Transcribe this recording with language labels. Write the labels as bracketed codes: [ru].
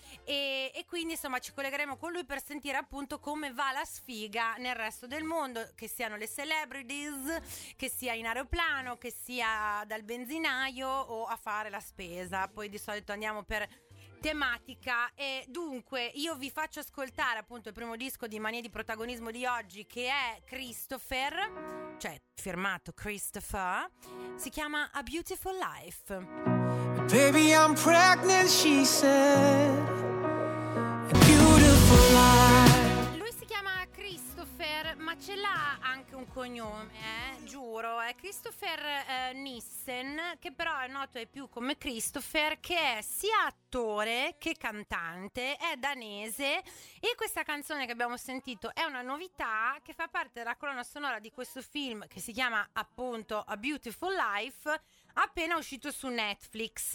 [it] E quindi insomma ci collegheremo con lui per sentire appunto come va la sfiga nel resto del mondo, che siano le celebrities, che sia in aeroplano, che sia dal benzinaio o a fare la spesa. Poi di solito andiamo per tematica. E dunque io vi faccio ascoltare appunto il primo disco di Manie di Protagonismo di oggi, che è Christopher, cioè firmato Christopher, si chiama A Beautiful Life. [en] Baby, I'm pregnant, she said. Beautiful life. [it] Lui si chiama Christopher, ma ce l'ha anche un cognome, giuro. È Christopher Nissen, che però è noto ai più come Christopher, che è sia attore che cantante, è danese. E questa canzone che abbiamo sentito è una novità, che fa parte della colonna sonora di questo film che si chiama appunto A Beautiful Life, appena uscito su Netflix.